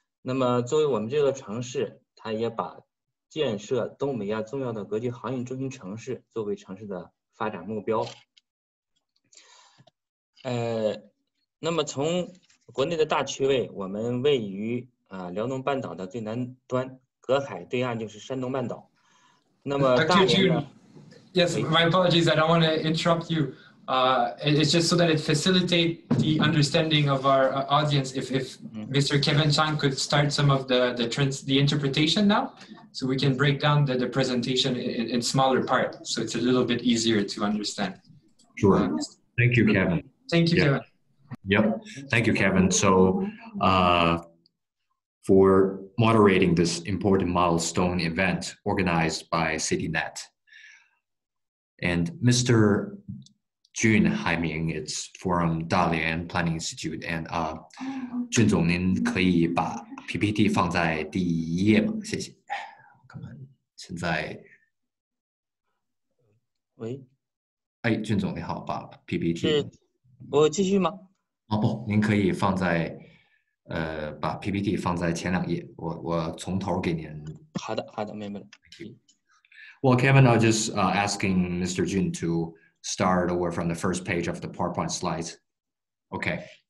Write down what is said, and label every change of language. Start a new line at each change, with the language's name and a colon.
Chinese: 那么作为我们这个城市，它也把建设东北亚重要的国际航运中心城市作为城市的发展目标。那么从国内的大区位，我们位于辽东半岛的最南端，隔海对岸就是山东半岛。那么大连呢
English: Yes, my apologies, I don't want to interrupt you. It's just so that it facilitate the understanding of our audience. If Mr. Kevin Chang could start some of the interpretation now, so we can break down the presentation in smaller part, so it's a little bit easier to understand. Sure. Thank you, Kevin. Thank you, yeah. Kevin. Yep. Thank you, Kevin. So for moderating this important milestone event organized by CityNet. And Mr. Jun Haiming, it's from Dalian Planning Institute.
Chinese: And Jun Zong, 您可以把 PPT 放在第一页吗？谢谢。我们现在。喂。哎，Jun Zong，你好，把 PPT。我继续吗？哦不，您可以放在，把 PPT 放在前两页，我从头给您。好的，好的，明白了。
English: Well, Kevin, I'm just asking Mr. Jun to start over from the first page of the PowerPoint slides. Okay.